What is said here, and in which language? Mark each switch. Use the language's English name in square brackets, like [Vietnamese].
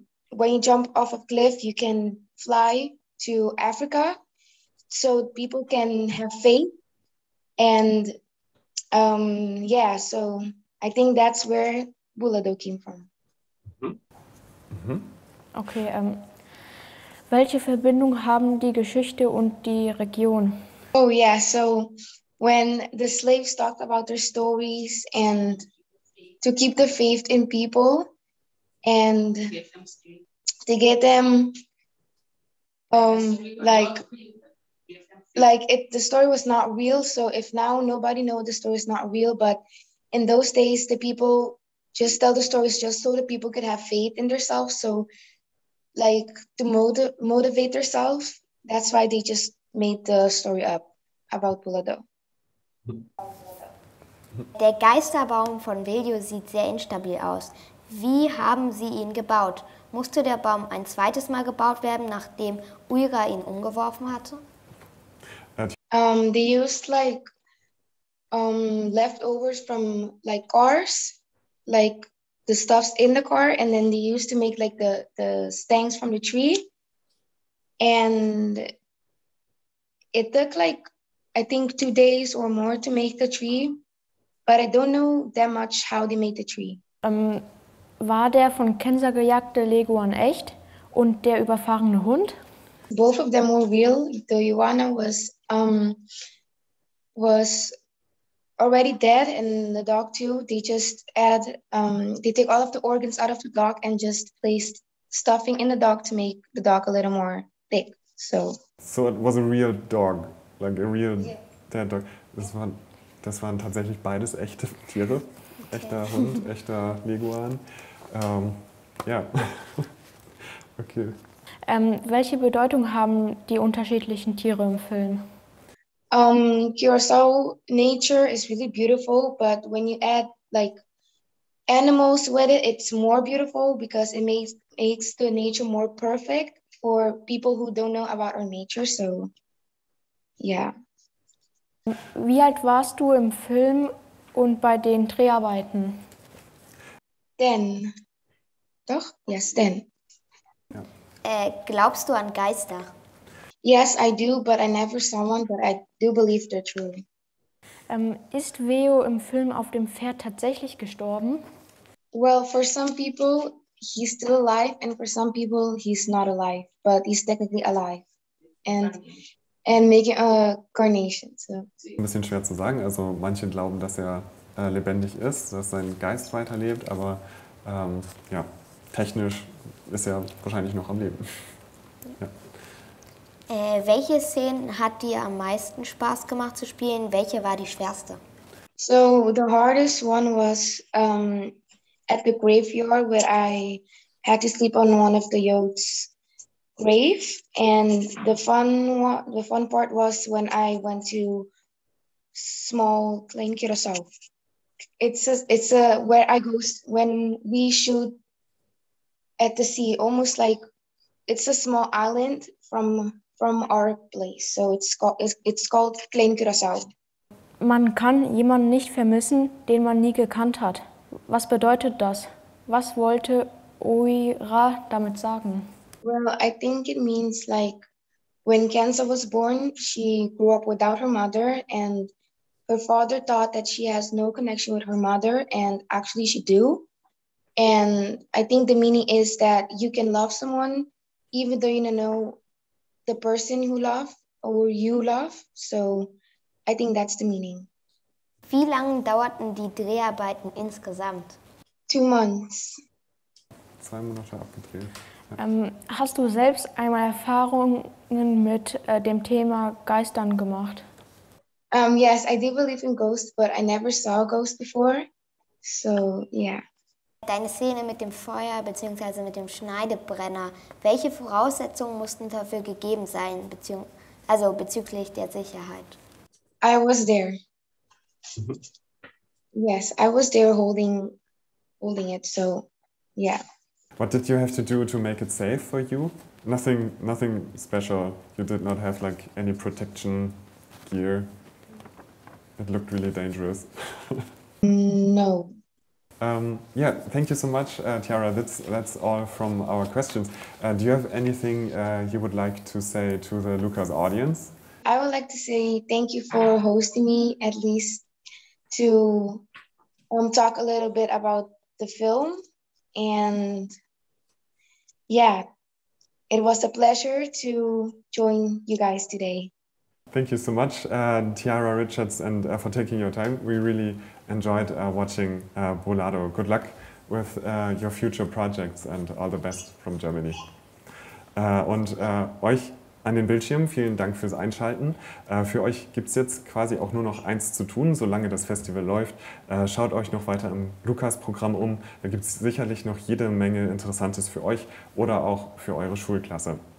[English] when you jump off a cliff, you can fly to Africa, so people can have faith, and yeah, so I think that's where Bulado came from. [German] Okay, welche Verbindung haben die Geschichte und die Region? [English] Oh yeah, so when the slaves talked about their stories and to keep the faith in people and to get them the story was not real. So if now nobody knows the story is not real, but in those days the people just tell the stories just so the people could have faith in themselves. So like to motivate themselves. That's why they just made the story up about Bulado. [German] Der Geisterbaum von Weljo sieht sehr instabil aus. Wie haben Sie ihn gebaut? Musste der Baum ein zweites Mal gebaut werden, nachdem Ouira ihn umgeworfen hatte? [English] They used like leftovers from like cars, like the stuffs in the car, and then they used to make like the stangs from the tree, and it took like I think 2 days or more to make the tree, but I don't know that much how they made the tree. [German] War der von Kenza gejagte Leguan echt und der überfahrene Hund? [English] Both of them were real. The iguana was already dead, and the dog too. They just add, they take all of the organs out of the dog and just placed stuffing in the dog to make the dog a little more thick. So it was a real dog, like a real dead dog. [German] Das waren tatsächlich beides echte Tiere, okay. Echter Hund, echter Leguan. [English] Yeah. Okay. [German] Welche Bedeutung haben die unterschiedlichen Tiere im Film? [English] Curaçao nature is really beautiful, but when you add like animals with it, it's more beautiful because it makes the nature more perfect for people who don't know about our nature. So, yeah. [German] Wie alt warst du im Film und bei den Dreharbeiten? [English] Ten. [German] Glaubst du an Geister? [English] Yes, I do, but I never saw one, but I do believe they're true. [German] Ist Veo im Film auf dem Pferd tatsächlich gestorben? [English] Well, for some people, he's still alive, and for some people, he's not alive, but he's technically alive. and making a carnation. So. [German] Ein bisschen schwer zu sagen. Also manche glauben, dass er lebendig ist, dass sein Geist weiterlebt, aber ja, technisch ist er wahrscheinlich noch am Leben. Ja. Welche Szenen hat dir am meisten Spaß gemacht zu spielen? Welche war die schwerste? [English] So the hardest one was at the graveyard where I had to sleep on one of the yokes grave. And the fun part was when I went to small plain Curaçao. When we shoot at the sea, almost like it's a small island from our place. So it's called Klein Curaçao. [German] Man kann jemanden nicht vermissen, den man nie gekannt hat. Was bedeutet das? Was wollte Ouira damit sagen? [English] Well, I think it means like when Kenza was born, she grew up without her mother, and her father thought that she has no connection with her mother, and actually she do. And I think the meaning is that you can love someone even though you don't know the person who love or you love. So I think that's the meaning. [German] Wie lange dauerten die Dreharbeiten insgesamt? [English] 2 months. [German] 2 Monate abgedreht. Ja. Hast du selbst einmal Erfahrungen mit dem Thema Geistern gemacht? [English] Yes, I do believe in ghosts, but I never saw a ghost before. So, yeah. Deine Szene mit dem Feuer bzw. mit dem Schneidebrenner. Welche Voraussetzungen mussten dafür gegeben sein, bezüglich der Sicherheit? I was there. Yes, I was there holding it, so yeah. What did you have to do to make it safe for you? Nothing special. You did not have like any protection gear. It looked really dangerous. No. Yeah, thank you so much, Tiara. That's all from our questions. Do you have anything you would like to say to the Lukas audience? I would like to say thank you for hosting me, at least to talk a little bit about the film. And yeah, it was a pleasure to join you guys today. Thank you so much, Tiara Richards, and for taking your time. We really enjoyed watching Bulado. Good luck with your future projects and all the best from Germany. [German] Und euch an den Bildschirm, vielen Dank fürs Einschalten. Für euch gibt es jetzt quasi auch nur noch eins zu tun, solange das Festival läuft. Schaut euch noch weiter im Lukas-Programm um. Da gibt es sicherlich noch jede Menge Interessantes für euch oder auch für eure Schulklasse.